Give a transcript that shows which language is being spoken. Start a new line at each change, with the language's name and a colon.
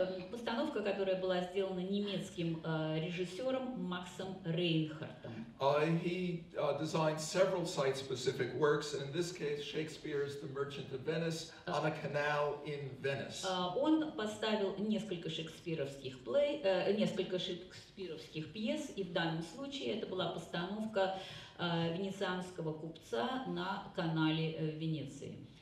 Russian: Постановка, которая была сделана немецким режиссером Максом Рейнхартом.
English: He designed several site-specific works, and in this case, Shakespeare's The Merchant of Venice on a canal in Venice.
Russian: Он поставил несколько шекспировских плей, несколько шекспировских пьес, и в данном случае это была постановка венецианского купца на канале Венеции.